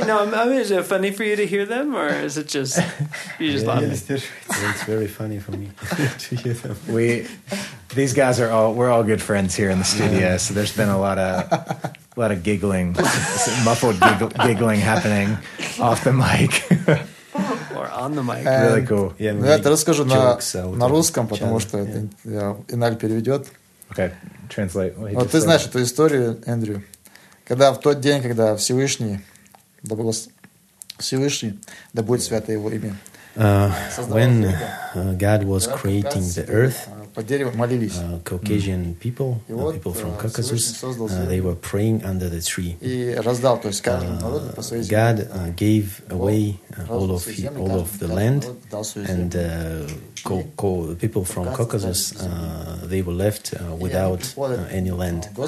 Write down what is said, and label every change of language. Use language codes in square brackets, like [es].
[en] No, I mean, is it funny for you to hear them, or is it just, you just yeah, laughing? Yeah. It's very funny for me to hear them. These guys are all, we're all good friends here in the studio, yeah. So there's been a lot of giggling, muffled giggling happening off the mic. On the mic. Really cool. [ru] Yeah, я это расскажу на русском, потому что это Иналь переведет. [en] Okay, translate. [ru] Вот ты знаешь эту историю, Эндрю. Когда в тот день, когда Всевышний, да будет свято его имя. [en] When God was creating the earth, Caucasian people, people from Caucasus, they were praying under the tree. God gave away all of the land, and the people from Caucasus, they were left without any land.